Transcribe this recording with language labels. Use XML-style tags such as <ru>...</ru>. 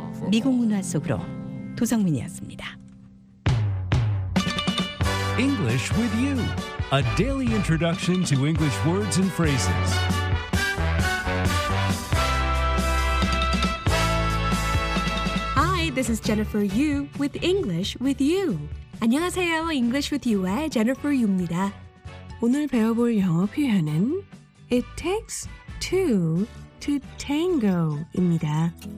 <ko>미국 문화 속으로 도성민이었습니다.</ko> <en>English with you. A daily introduction to English words and phrases. Hi, this is Jennifer Yu with English with you.</en> <ko>안녕하세요. English with you의 Jennifer Yu입니다. 오늘 배워볼 영어 표현은</ko> <en>It takes two to tango</en> <ko>입니다.</ko>